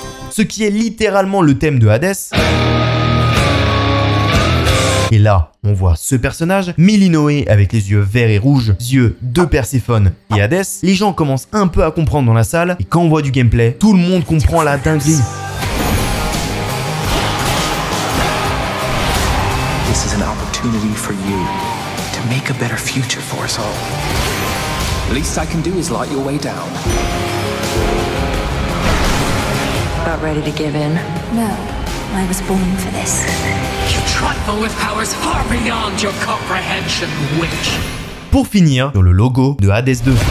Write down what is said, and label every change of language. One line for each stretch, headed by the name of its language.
French: Ce qui est littéralement le thème de Hadès. Et là, on voit ce personnage, Milinoé avec les yeux verts et rouges, yeux de Perséphone et Hadès. Les gens commencent un peu à comprendre dans la salle, et quand on voit du gameplay, tout le monde comprend la dinguerie.
English: This is an opportunity for you to make a better future for us all. The least I can do is light your way down. About ready to give in? No, I was born for this. You trifle with powers far beyond your comprehension, witch.
French: Pour finir, sur le logo de Hades 2.